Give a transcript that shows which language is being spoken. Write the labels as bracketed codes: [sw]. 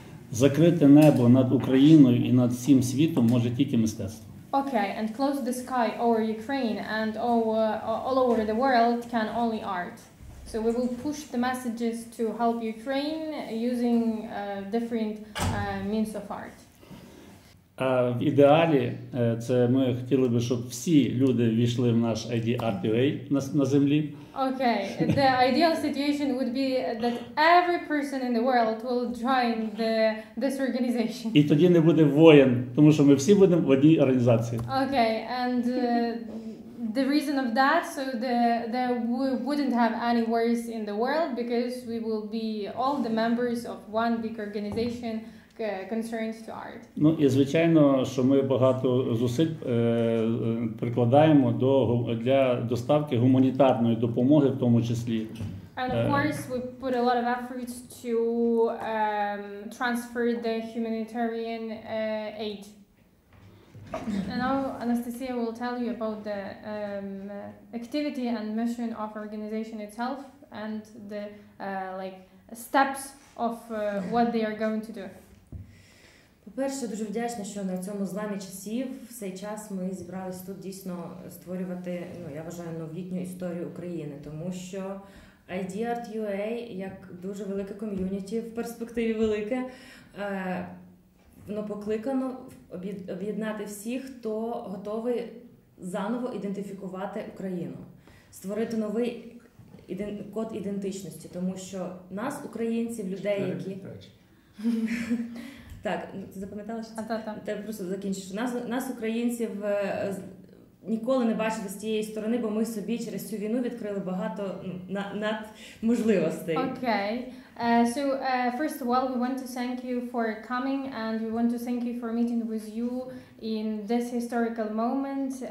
[uk] закрите небо над Україною і над всім світом може тільки мистецтво. [en] Okay, and close the sky over Ukraine and all over the world can only art. So we will push the messages to help Ukraine using different means of art. [uk] В ідеалі це ми хотіли би, щоб всі люди війшли в наш IDRTA на землі. [en] Okay, the ideal situation would be that every person in the world will join this organization. [uk] І тоді не буде воєн, тому що ми всі будемо в одній організації. [en] Okay, and the reason of that, so that we wouldn't have any wars in the world, because we will be all the members of one big organization concerned to art. [uk] Ну і звичайно, що ми багато зусиль прикладаємо для доставки гуманітарної допомоги, в тому числі. [en] And of course, we put a lot of effort to transfer the humanitarian aid. And now Anastasia will tell you about the activity and mission of organization itself and the steps of what they are going to do. [uk] По-перше, дуже вдячна, що на цьому зламі часів, в цей час ми зібралися тут дійсно створювати, ну, я вважаю, новітню історію України, тому що IDRTUA як дуже велике ком'юніті, в перспективі велике, воно покликано об'єднати всіх, хто готовий заново ідентифікувати Україну, створити новий код ідентичності, тому що нас, українців, людей, які... Так, ти запам'ятала, що це? Та. Ти просто закінчиш. Нас, українців, ніколи не бачили з тієї сторони, бо ми собі через цю війну відкрили багато надможливостей. Окей. [en] So, first of all, we want to thank you for coming, and we want to thank you for meeting with you in this historical moment.